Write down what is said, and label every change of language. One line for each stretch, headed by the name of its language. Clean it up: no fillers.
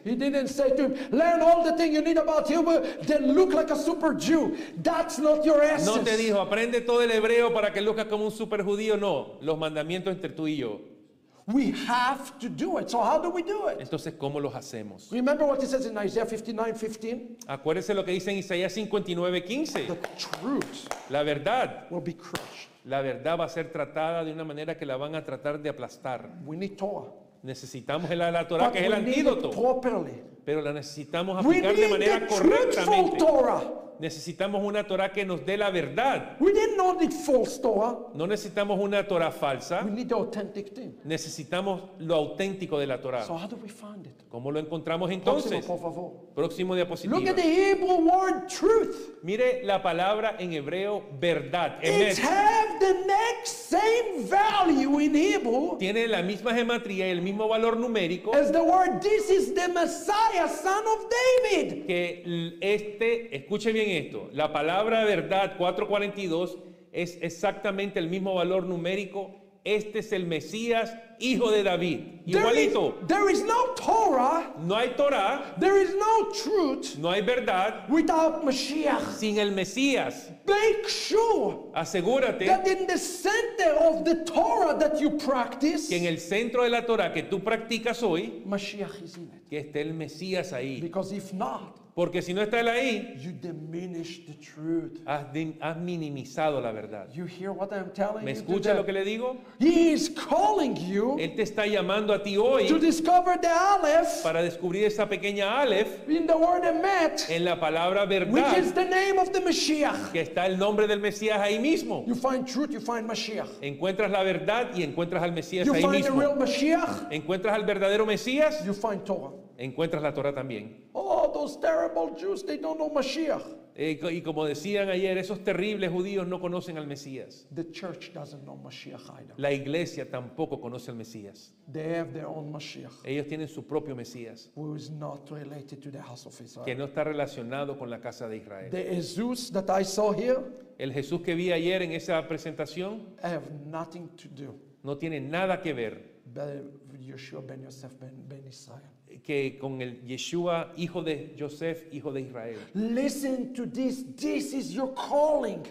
English: He didn't say to him, learn all the things you need about Hebrew, then look like a super Jew. That's not your essence.
Spanish: No te dijo, aprende todo el hebreo para que luzcas como un super judío. No, los mandamientos entre tú y yo.
English: We have to do it. So how do we do it?
Spanish: Entonces, ¿cómo los hacemos?
English: Remember what it says in Isaiah 59:15.
Spanish: Acuérdese lo que dice en Isaías 59:15.
English: The truth.
Spanish: La verdad.
English: Will be crushed.
Spanish: La verdad va a ser tratada de una manera que la van a tratar de aplastar.
English: We need Torah.
Spanish: Necesitamos la Torah,
English: but
Spanish: que es el antídoto.
English: Properly.
Spanish: Pero la necesitamos aplicar de manera correctamente.
English: Torah.
Spanish: Necesitamos una Torah que nos dé la verdad.
English: We did not need false Torah.
Spanish: No necesitamos una Torah falsa.
English: We need the authentic thing.
Spanish: Necesitamos lo auténtico de la Torah.
English: So how do we find it?
Spanish: ¿Cómo lo encontramos entonces? Próximo diapositiva.
English: Look at the Hebrew word truth.
Spanish: Mire la palabra en hebreo verdad.
English: It has the next same value in Hebrew.
Spanish: Tiene la misma gematría y el mismo valor numérico.
English: As the word this is the Messiah, son of David.
Spanish: Que este, escuche bien esto, la palabra verdad 442 es exactamente el mismo valor numérico. Este es el Mesías, hijo de David. Igualito.
English: There is no Torah.
Spanish: No hay Torah.
English: There is no truth.
Spanish: No hay verdad.
English: Without Mashiach.
Spanish: Sin el Mesías.
English: Make sure.
Spanish: Asegúrate.
English: That in the center of the Torah that you practice.
Spanish: Que en el centro de la Torah que tú practicas hoy.
English: Mashiach is in it.
Spanish: Que esté el Mesías ahí.
English: Because if not.
Spanish: Porque si no está él ahí,
English: you diminish the truth.
Spanish: Has minimizado la verdad.
English: You hear what I'm telling
Spanish: ¿me escucha
English: you
Spanish: lo que le digo?
English: He is calling you,
Spanish: él te está llamando a ti hoy
English: to discover the Aleph,
Spanish: para descubrir esa pequeña Aleph
English: in the word emet,
Spanish: en la palabra verdad,
English: which is the name of the Mashiach.
Spanish: Que está el nombre del Mesías ahí mismo.
English: You find truth, you find Mashiach.
Spanish: Encuentras la verdad y encuentras al Mesías
English: you
Spanish: ahí
English: find
Spanish: mismo.
English: The real Mashiach,
Spanish: encuentras al verdadero Mesías.
English: You find Torah.
Spanish: Encuentras la Torah también.
English: Oh, those terrible Jews, they don't know Mashiach.
Spanish: Y como decían ayer, esos terribles judíos no conocen al Mesías.
English: The church doesn't know Mashiach either.
Spanish: La iglesia tampoco conoce al Mesías.
English: They have their own Mashiach.
Spanish: Ellos tienen su propio Mesías.
English: Who is not related to the house of Israel.
Spanish: Que no está relacionado con la casa de Israel.
English: The Jesus that I saw here,
Spanish: el Jesús que vi ayer en esa presentación,
English: have nothing to do.
Spanish: No tiene nada que ver.
English: Yeshua ben Yosef ben Israel.
Spanish: Que con el Yeshua, hijo de Yosef, hijo de Israel.
English: Listen to this. This is your calling.